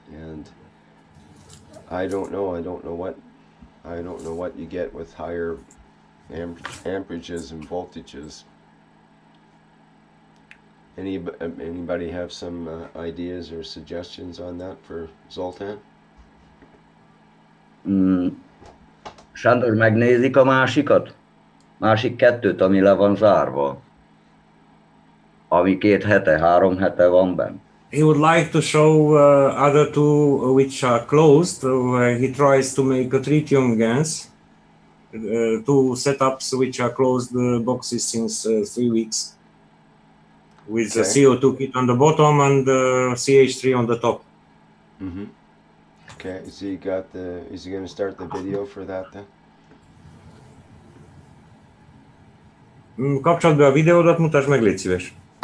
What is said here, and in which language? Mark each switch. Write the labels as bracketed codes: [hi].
[en] And I don't know what you get with higher amperages and voltages. Anybody have some ideas or suggestions on that for Zoltán? [hu] Sándor, megnézik a másikat? Másik kettőt, ami le van zárva? Ami két hete, három hete van benn? [en] He would like to show other two which are closed. He tries to make a tritium GANS. Two setups which are closed boxes since 3 weeks. With the CO2 kit on the bottom and the CH3 on the top. Okay, is he going to start the video for that then? [hu] Kapcsold be a videódat, mutasd meg, légy szíves.